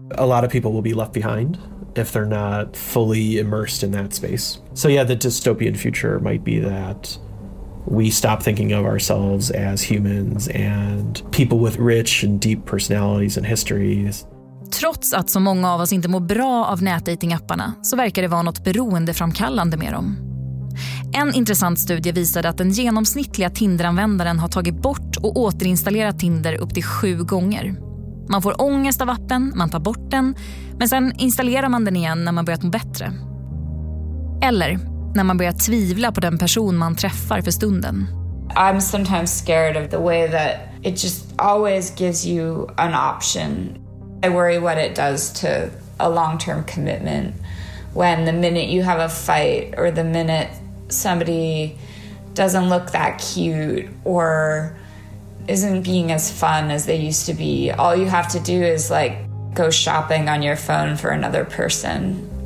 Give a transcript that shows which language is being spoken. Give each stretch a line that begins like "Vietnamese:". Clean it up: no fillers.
English: A lot of people will be left behind if they're not fully immersed in that space. So yeah, the dystopian future might be that we stop thinking of ourselves as humans and people with rich and deep personalities and histories.
Swedish: Trots att så många av oss inte mår bra av nätdatingapparna så verkar det vara något beroendeframkallande med dem. En intressant studie visade att den genomsnittliga Tinder-användaren har tagit bort och återinstallerat Tinder upp till 7 gånger. Man får ångest av appen, man tar bort den, men sen installerar man den igen när man börjat må bättre. Eller när man börjar tvivla på den person man träffar för stunden.
English: I'm sometimes scared of the way that it just always gives you an option. I worry what it does to a long-term commitment when the minute you have a fight or the minute somebody doesn't look that cute or isn't being as fun as they used to be, all you have to do is like go shopping on your phone for another person.